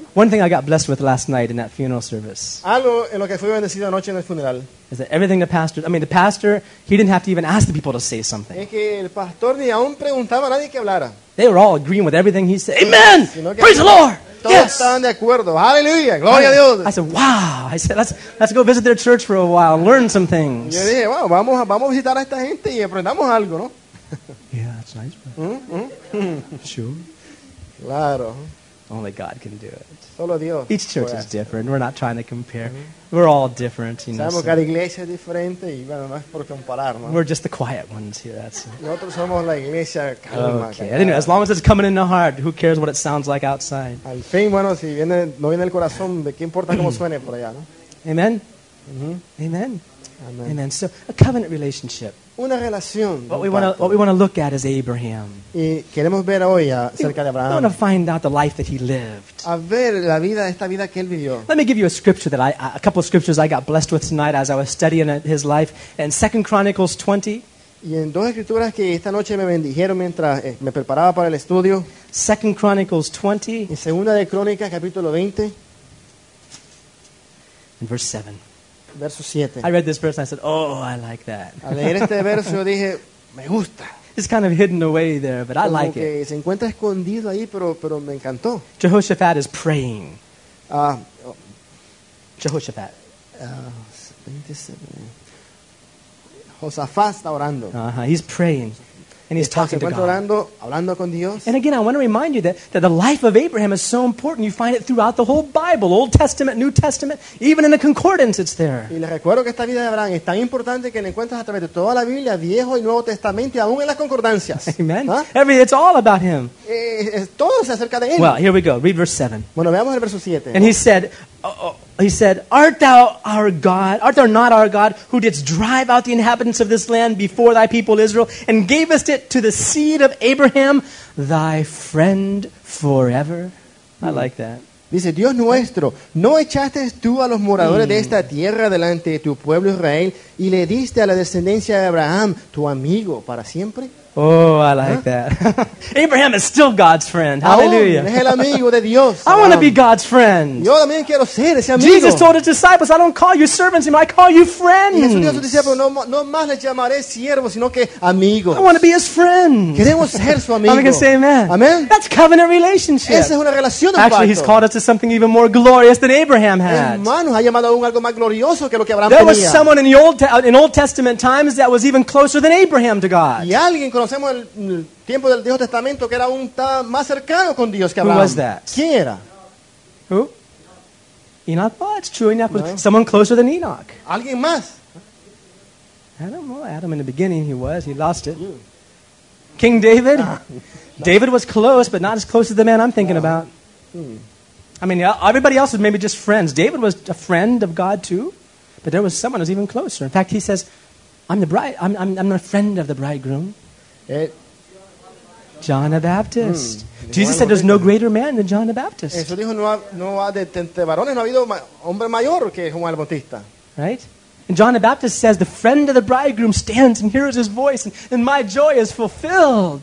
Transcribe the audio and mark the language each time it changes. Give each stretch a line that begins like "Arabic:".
English: One thing I got blessed with last night in that funeral service.
Spanish: Algo en lo que fui bendecido anoche en el funeral.
English: Is that everything the pastor, he didn't have to even ask the people to say something.
Spanish: Es que el pastor ni aun preguntaba a nadie que hablara.
English: They were all agreeing with everything he said. Amen! Praise the Lord!
Spanish: Todos estaban de acuerdo. Hallelujah! Gloria a Dios!
English: I said, wow! I said, let's go visit their church for a while and learn some things.
Spanish: Yo dije, wow, vamos a visitar a esta gente y aprendamos algo, ¿no?
English: Yeah, that's nice. But... Sure.
Spanish: Claro.
English: Only God can do it.
Spanish: Solo Dios.
English: Each church is different. We're not trying to compare. Mm-hmm. We're all different, you know.
Spanish: Sabemos que la iglesia es diferente y bueno, no es por comparar, ¿no?
English: We're just the quiet ones here. That's it.
Spanish: Nosotros somos la iglesia calma.
English: Okay. Anyway, as long as it's coming in the heart, who cares what it sounds like outside?
Spanish: Al fin, bueno, si viene, no viene el corazón, ¿de qué importa cómo suene por allá, no? Amen. Mm-hmm. Amen. Amen.
English: Amen. So, a covenant relationship.
Spanish: Una relación.
English: What we want to look at is Abraham.
Spanish: Y queremos ver hoy acerca de Abraham.
English: We want to find out the life that he lived.
Spanish: A ver la vida, esta vida que él vivió.
English: Let me give you a scripture that a couple of scriptures I got blessed with tonight as I was studying his life. In 2 Chronicles 20.
Spanish: Y en dos escrituras que esta noche me bendijeron mientras me preparaba para el estudio.
English: 2 Chronicles 20.
Spanish: En Segunda de Crónicas, capítulo 20.
English: Verse 7.
Spanish: Verso
English: 7. I read this verse and I said, oh, I like that.
Spanish: Al leer este verso dije, me gusta.
English: It's kind of hidden away there, but
Spanish: como
English: I like
Spanish: que
English: it.
Spanish: Se encuentra escondido ahí, pero me encantó.
English: Jehoshaphat is praying. Jehoshaphat.
Spanish: 27. Josafat está orando.
English: He's praying. And he's talking to God.
Spanish: Orando con Dios.
English: And again, I want to remind you that the life of Abraham is so important. You find it throughout the whole Bible, Old Testament, New Testament, even in the concordance, it's there.
Spanish: Y les recuerdo que esta vida de Abraham es tan importante que la encuentras a través de toda la Biblia, Viejo y Nuevo Testamento, y aún en las concordancias.
English: Amen. ¿Ah? It's all about him.
Spanish: Todo se acerca de él.
English: Well, here we go. Read verse 7.
Spanish: Bueno, veamos el verso 7.
English: And he said, art thou not our God, who didst drive out the inhabitants of this land before thy people Israel, and gavest it to the seed of Abraham, thy friend forever? I like that.
Spanish: Dice, Dios nuestro, ¿no echaste tú a los moradores de esta tierra delante de tu pueblo Israel, y le diste a la descendencia de Abraham, tu amigo, para siempre?
English: Oh, I like that. Abraham is still God's friend. Hallelujah.
Spanish: Es el amigo de Dios.
English: I want to be God's friend.
Spanish: Yo también quiero ser ese amigo.
English: Jesus told his disciples, I don't call you servants, I call you friends.
Spanish: Y Jesús dijo a sus discípulos, no más les llamaré siervos, sino que amigos.
English: I want to be his friend.
Spanish: Queremos ser su amigo.
English: I can say amen. Amen. That's covenant relationship.
Spanish: Esa es una relación de
English: pacto. Actually, he's called us to something even more glorious than Abraham had.
Spanish: Hermano, ha llamado a algo más glorioso que lo que Abraham tenía.
English: There was someone in Old Testament times that was even closer than Abraham to God.
Spanish: Y alguien conocemos el tiempo del Viejo Testamento que era aún más cercano con Dios que Abraham.
English: Who was that?
Spanish: ¿Quién era?
English: Who? Enoch. Well, it's true. Enoch was someone closer than Enoch.
Spanish: ¿Alguien más?
English: Adam. Well, Adam in the beginning he was. He lost it. You. King David? David was close, but not as close as the man I'm thinking about. I mean, everybody else was maybe just friends. David was a friend of God too, but there was someone who was even closer. In fact, he says, I'm the friend of the bridegroom. John the Baptist. Jesus said there's no greater man than John the Baptist.
Spanish: Eso dijo, no ha de entre varones, no ha habido hombre mayor que Juan el Bautista.
English: Right? And John the Baptist says, the friend of the bridegroom stands and hears his voice, and my joy is fulfilled.